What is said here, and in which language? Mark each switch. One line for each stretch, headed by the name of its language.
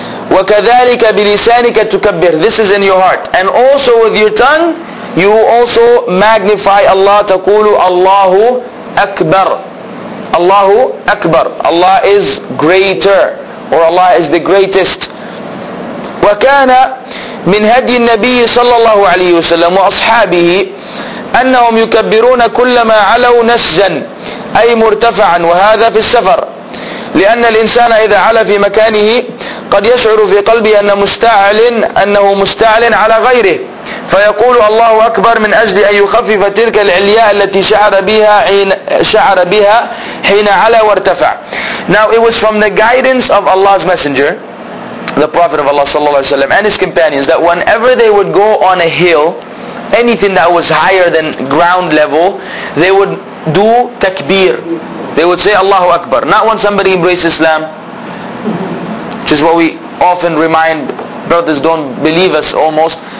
Arabic: وكذلك بلسانك تكبر,
English: this is in your heart, and also with your tongue you also magnify Allah.
Arabic: تقول الله أكبر. Allahu Akbar.
English: Allah is greater, or Allah is the greatest.
Arabic: وَكَانَ مِنْ هَدِي النَّبِيِّ صَلَّى اللَّهُ عَلَيْهِ وَسَلَّمُ وَأَصْحَابِهِ أَنَّهُمْ يُكَبِّرُونَ كُلَّمَا عَلَوْا نَسْجًا أي مُرْتَفَعًا, وهذا في السفر, لأن الإنسان إذا على في مكانه قد يشعر في قلبه أنه مستعل على غيره, فيقول الله أكبر من أجل أن يخفف تلك العلياء التي شعر بها حين على وارتفع.
English: Now it was from the guidance of Allah's messenger, the Prophet of Allah sallallahu alaihi wasallam, and his companions, that whenever they would go on a hill, anything that was higher than ground level, they would do takbir. They would say Allahu Akbar. Not when somebody embraces Islam, which is what we often remind brothers, don't believe us almost.